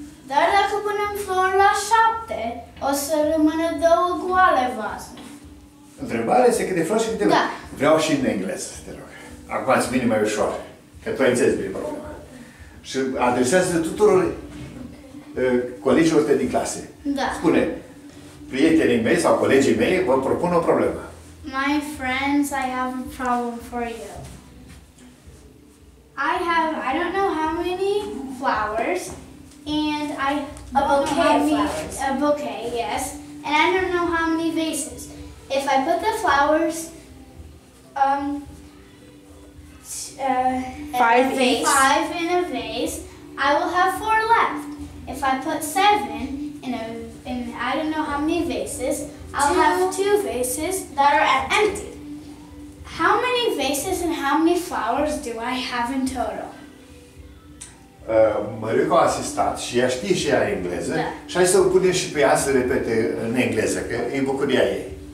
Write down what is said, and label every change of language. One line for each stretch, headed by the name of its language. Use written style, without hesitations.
Romanian: Dar dacă punem flori la 7, o să rămână 2 goale vase. Întrebarea este câte flori și câte vase. Da. Vreau și în engleză, te rog. Acum îți vine mai ușor, că tu ai înțeles bine problema. Și adresează tuturor colegilor tăi din clase. Da. Spune, prietenii mei sau colegii mei vă propun o problemă.
English: My friends, I have a problem for you. I have, I don't know how many flowers, and I a bouquet, don't know how many flowers. A bouquet, yes, and I don't know how many vases. If I put the flowers, five in a vase, I will have 4 left. If I put 7 in I don't know how many vases, I'll have 2 vases that are empty. How many vases and how many flowers do I have in total?
Romanian: Mariuca a asistat și ea știe și ea engleză. Da. Și hai să o punem și pe ea să repete în engleză, că e bucuria ei.